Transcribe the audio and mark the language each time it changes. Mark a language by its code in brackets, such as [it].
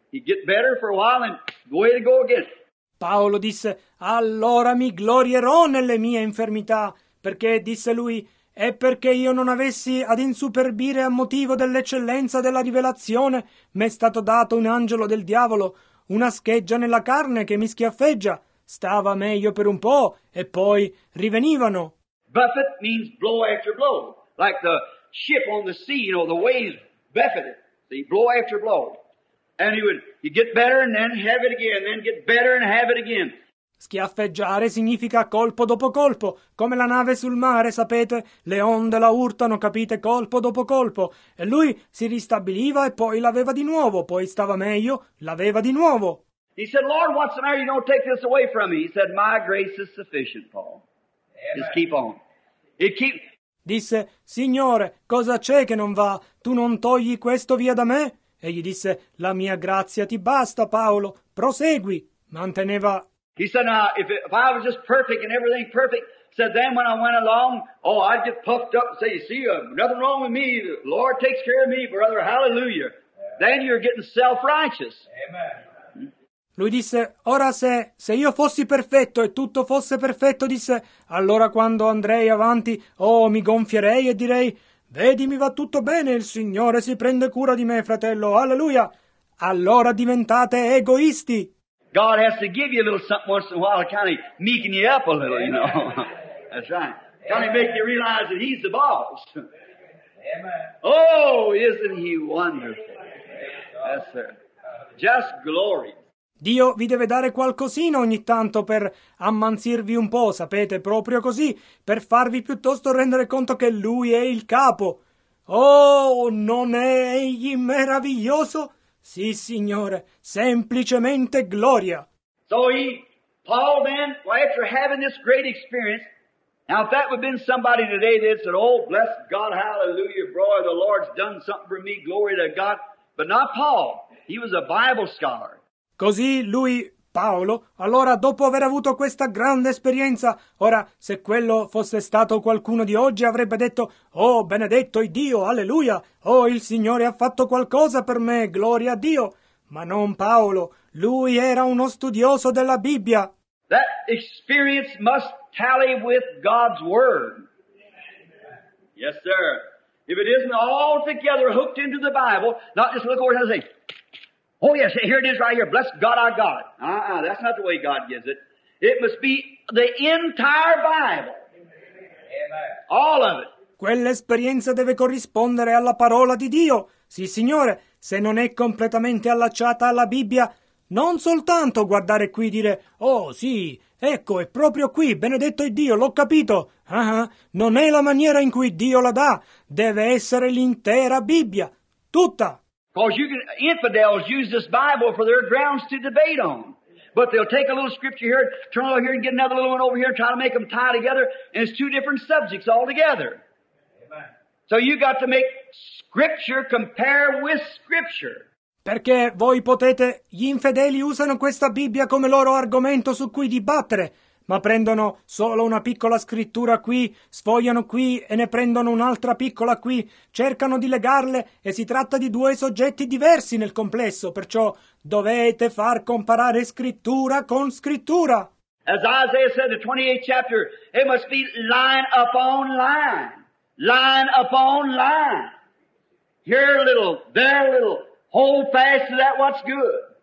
[en] He'd get better for a while and go away to go again. [it] Paolo disse, allora mi glorierò nelle mie infermità, perché, disse lui, è perché io non avessi ad insuperbire a motivo dell'eccellenza della rivelazione, m'è stato dato un angelo del diavolo, una scheggia nella carne che mi schiaffeggia. Stava meglio per un po', e poi rivenivano. [en] Buffet means blow after blow, like the ship on the sea, you know, the waves buffeted, see, blow after blow. And he'd get better and then have it again, then get better and have it again. [it] Schiaffeggiare significa colpo dopo colpo, come la nave sul mare, sapete? Le onde la urtano, capite? Colpo dopo colpo. E lui si ristabiliva e poi l'aveva di nuovo, poi stava meglio, l'aveva di nuovo. [en] He said, Lord, what's the matter? You don't take this away from me. He said, my grace is sufficient, Paul. Amen. Just keep on. [it] Disse, Signore, cosa c'è che non va? Tu non togli questo via da me? E gli disse, la mia grazia ti basta, Paolo. Prosegui. Manteneva. [en] He said, now, if I was just perfect and everything perfect, said, then when I went along, oh, I'd get puffed up and say, you see, nothing wrong with me. The Lord takes care of me, brother. Hallelujah. Yeah. Then you're getting self-righteous. Amen. [it] Lui disse, ora se io fossi perfetto e tutto fosse perfetto, disse, allora quando andrei avanti, oh, mi gonfierei e direi, vedi, mi va tutto bene, il Signore si prende cura di me, fratello. Alleluia. Allora diventate egoisti. [en] God has to give you a little something once in a while to kind of meeken you up a little, you know. That's right. Kind of make you realize that he's the boss. Amen. Oh, isn't he wonderful? Yes, sir. Just glory. [it] Dio vi deve dare qualcosina ogni tanto per ammansirvi un po', sapete, proprio così, per farvi piuttosto rendere conto che lui è il capo. Oh, non è egli meraviglioso? Sì, Signore, semplicemente gloria. [en] So Paul then, after having this great experience, now if that would have been somebody today that said, oh, bless God, hallelujah, brother, the Lord's done something for me, glory to God, but not Paul, he was a Bible scholar. [it] Così lui, Paolo, allora dopo aver avuto questa grande esperienza, ora se quello fosse stato qualcuno di oggi avrebbe detto, oh benedetto è Dio, alleluia, oh il Signore ha fatto qualcosa per me, gloria a Dio. Ma non Paolo, lui era uno studioso della Bibbia. [en] That experience must tally with God's Word. Yes, sir. If it isn't altogether hooked into the Bible, not just look over and say, oh, yes, here it is right here. Bless God, our God. That's not the way God gives it. It must be the entire Bible. Amen. All of it. [it] Quell'esperienza deve corrispondere alla parola di Dio. Sì, Signore, se non è completamente allacciata alla Bibbia, non soltanto guardare qui e dire, oh, sì, ecco, è proprio qui, benedetto è Dio, l'ho capito. Non è la maniera in cui Dio la dà. Deve essere l'intera Bibbia, tutta. [en] Because infidels use this Bible for their grounds to debate on. But they'll take a little scripture here, turn over here and get another little one over here, try to make them tie together, and it's two different subjects altogether. Amen. So you got to make scripture compare with scripture. [it] Perché voi potete, gli infedeli usano questa Bibbia come loro argomento su cui dibattere, ma prendono solo una piccola scrittura qui, sfogliano qui e ne prendono un'altra piccola qui, cercano di legarle e si tratta di due soggetti diversi nel complesso, perciò dovete far comparare scrittura con scrittura. [en] As Isaiah said in the 28th chapter, it must be line upon line, line upon line. Here a little, there a little, hold fast to that what's good.